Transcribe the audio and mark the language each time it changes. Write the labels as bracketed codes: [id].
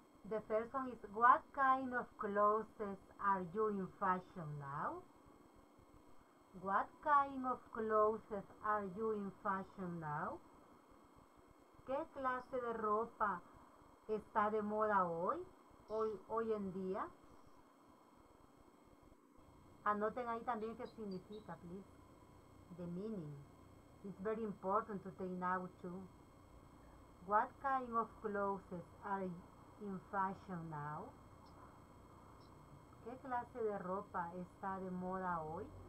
[en] The first one is, what kind of clothes are you in fashion now? What kind of clothes are you in fashion now? [es] ¿Qué clase de ropa está de moda hoy en día? Anoten ahí también qué significa, [en] please. The meaning. It's very important to take now too. What kind of clothes are you in fashion now? [es] ¿Qué clase de ropa está de moda hoy?